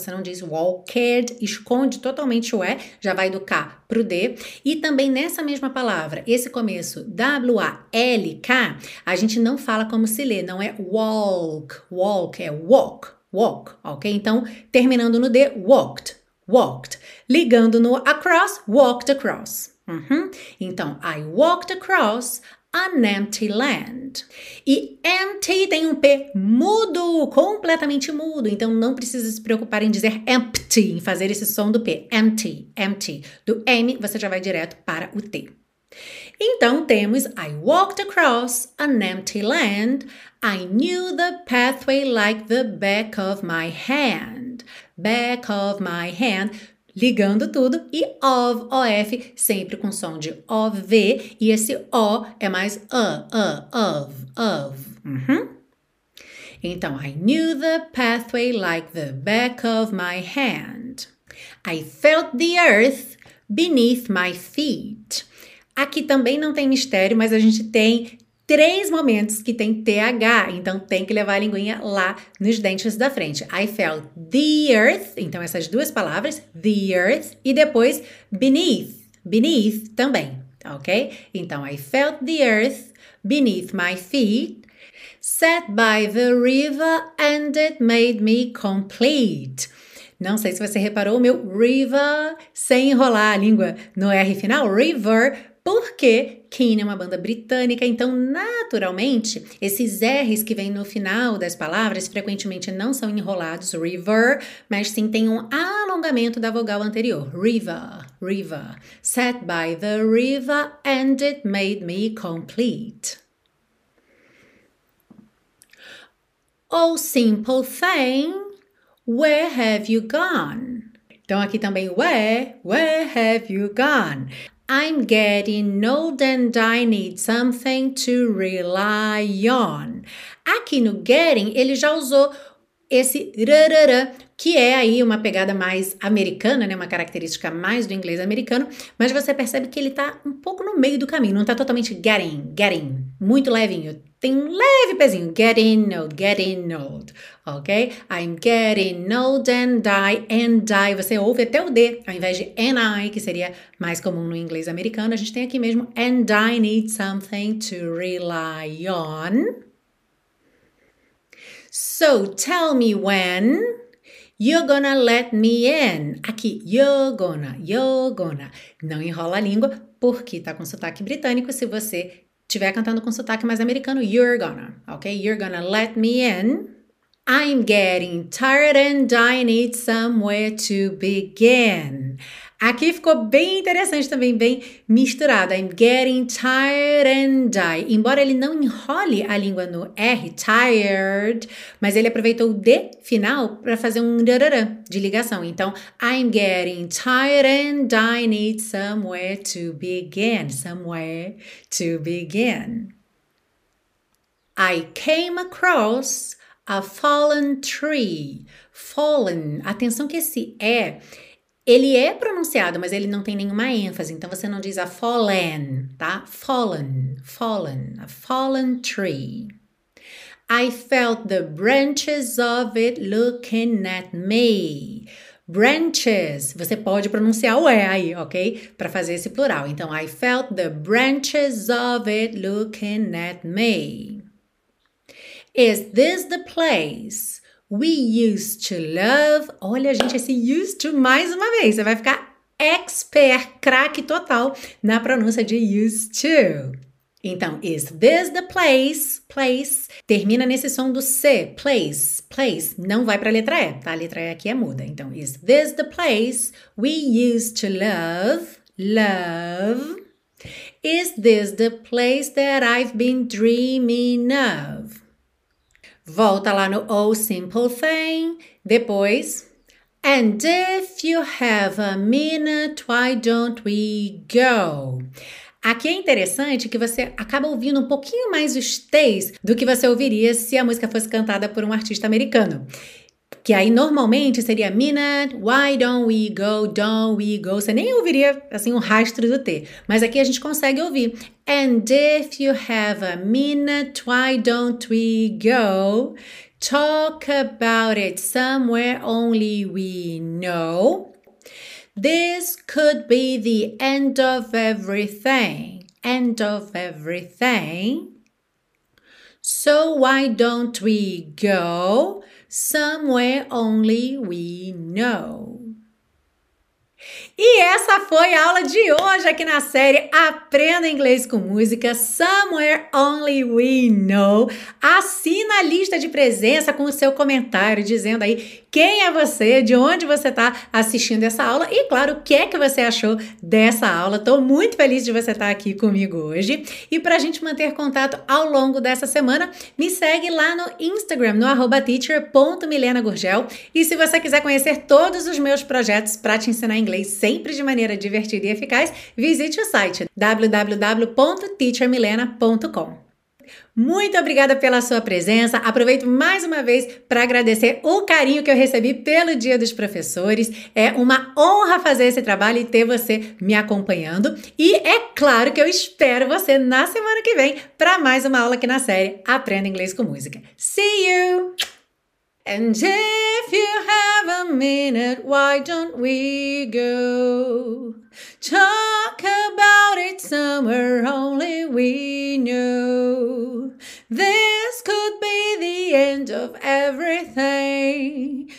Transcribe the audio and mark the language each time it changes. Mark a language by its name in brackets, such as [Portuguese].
[Portuguese] Você não diz walked, esconde totalmente o E, já vai do K pro D. E também nessa mesma palavra, esse começo, W-A-L-K, a gente não fala como se lê, não é walk, walk, é walk, walk, ok? Então, terminando no D, walked, walked. Ligando no [English] across, walked across. Uhum. [Portuguese] Então, [English] I walked across an empty land. [Portuguese] E empty tem um P mudo, completamente mudo. Então não precisa se preocupar em dizer empty, em fazer esse som do P. Empty, empty. Do M você já vai direto para o T. Então temos [English] I walked across an empty land. I knew the pathway like the back of my hand. Back of my hand. [Portuguese] Ligando tudo, e of, of, sempre com som de ov, e esse o é mais of, of. Uhum. Então, [English] I knew the pathway like the back of my hand. I felt the earth beneath my feet. [Portuguese] Aqui também não tem mistério, mas a gente tem três momentos que tem TH, então tem que levar a linguinha lá nos dentes da frente. [English] I felt the earth, [Portuguese] então essas duas palavras, [English] the earth, [Portuguese] e depois beneath, beneath também, ok? Então, [English] I felt the earth beneath my feet, sat by the river and it made me complete. [Portuguese] Não sei se você reparou o meu river sem enrolar a língua no R final, river. Porque Keane é uma banda britânica, então naturalmente esses R's que vêm no final das palavras frequentemente não são enrolados, river, mas sim tem um alongamento da vogal anterior, river, river. [English] Sat by the river and it made me complete. Oh, simple thing, where have you gone? [Portuguese] Então aqui também, [English] where have you gone? I'm getting old and I need something to rely on. [Portuguese] Aqui no getting, ele já usou esse rarara, que é aí uma pegada mais americana, né? Uma característica mais do inglês americano, mas você percebe que ele tá um pouco no meio do caminho, não tá totalmente getting, getting, muito levinho, tem um leve pezinho, [English] getting old, [Portuguese] ok? [English] I'm getting old and I, [Portuguese] você ouve até o D, ao invés de and I, que seria mais comum no inglês americano, a gente tem aqui mesmo, [English] and I need something to rely on. So tell me when you're gonna let me in. [Portuguese] Aqui, [English] you're gonna. [Portuguese] Não enrola a língua, porque tá com sotaque britânico. Se você estiver cantando com sotaque mais americano, [English] you're gonna, [Portuguese] ok? [English] You're gonna let me in. I'm getting tired and I need somewhere to begin. [Portuguese] Aqui ficou bem interessante também, bem misturado. [English] I'm getting tired and die. [Portuguese] Embora ele não enrole a língua no R, tired, mas ele aproveitou o D final para fazer um rararã de ligação. Então, [English] I'm getting tired and I need somewhere to begin. Somewhere to begin. I came across a fallen tree. Fallen. [Portuguese] Atenção que esse E, ele é pronunciado, mas ele não tem nenhuma ênfase. Então você não diz [English] a fallen, [Portuguese] tá? [English] Fallen, fallen, a fallen tree. I felt the branches of it looking at me. [Portuguese] Branches, você pode pronunciar o E aí, ok? Para fazer esse plural. Então, [English] I felt the branches of it looking at me. Is this the place we used to love? [Portuguese] Olha, gente, esse [English] used to [Portuguese] mais uma vez. Você vai ficar expert, craque total na pronúncia de used to. Então, [English] is this the place? Place. [Portuguese] Termina nesse som do C. [English] Place, place. [Portuguese] Não vai para a letra E, tá? A letra E aqui é muda. Então, [English] is this the place we used to love? Love. Is this the place that I've been dreaming of? [Portuguese] Volta lá no [English] Oh Simple Thing. [Portuguese] Depois. [English] And if you have a minute, why don't we go? [Portuguese] Aqui é interessante que você acaba ouvindo um pouquinho mais os T's do que você ouviria se a música fosse cantada por um artista americano. Que aí normalmente seria [English] Minute, why don't we go? [Portuguese] Você nem ouviria assim um rastro do T. Mas aqui a gente consegue ouvir. [English] And if you have a minute, why don't we go? Talk about it somewhere only we know. This could be the end of everything. End of everything. So why don't we go somewhere only we know? [Portuguese] E essa foi a aula de hoje aqui na série Aprenda Inglês com Música, Somewhere Only We Know. Assina a lista de presença com o seu comentário, dizendo aí quem é você, de onde você está assistindo essa aula e, claro, o que é que você achou dessa aula. Estou muito feliz de você estar aqui comigo hoje. E para a gente manter contato ao longo dessa semana, me segue lá no Instagram, no @teacher.milenagurgel. E se você quiser conhecer todos os meus projetos para te ensinar inglês sempre de maneira divertida e eficaz, visite o site www.teachermilena.com. Muito obrigada pela sua presença. Aproveito mais uma vez para agradecer o carinho que eu recebi pelo Dia dos Professores. É uma honra fazer esse trabalho e ter você me acompanhando. E é claro que eu espero você na semana que vem para mais uma aula aqui na série Aprenda Inglês com Música. [English] See you! And if you have a minute, why don't we go? Talk about it somewhere only we know. This could be the end of everything.